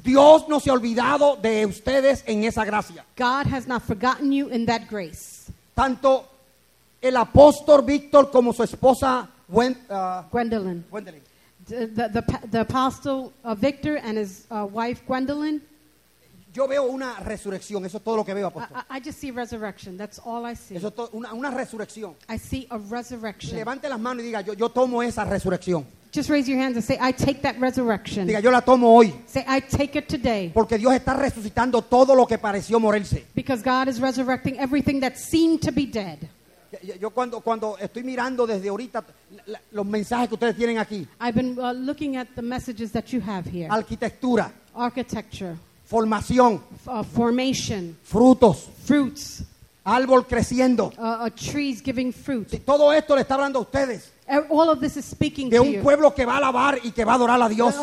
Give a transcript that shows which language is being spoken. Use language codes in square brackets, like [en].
[es] Dios no se ha olvidado de ustedes en esa gracia. [en] God has not forgotten you in that grace. [es] Tanto el apóstol Víctor como su esposa Gwendolyn. [en] The apostle Victor and his wife Gwendolyn. [es] Yo veo una resurrección. Eso es todo lo que veo, apóstol. [en] I just see resurrection. That's all I see. [es] Eso es una resurrección. [en] I see a resurrection. [es] Levante las manos y diga, yo tomo esa resurrección. [en] Just raise your hands and say, I take that resurrection. [es] Diga, yo la tomo hoy. [en] Say, I take it today. [es] Porque Dios está resucitando todo lo que pareció morirse. [en] Because God is resurrecting everything that seemed to be dead. [es] Yo cuando estoy mirando desde ahorita los mensajes que ustedes tienen aquí. [en] I've been looking at the messages that you have here. [es] Arquitectura. [en] Architecture. [es] Formación. [en] Formation. [es] Frutos. [en] Fruits. [es] Árbol creciendo. [en] Trees giving fruit. [es] Todo esto le está hablando a ustedes. [en] All of this is speaking to you. [es] De un pueblo que va a alabar y que va a adorar a Dios.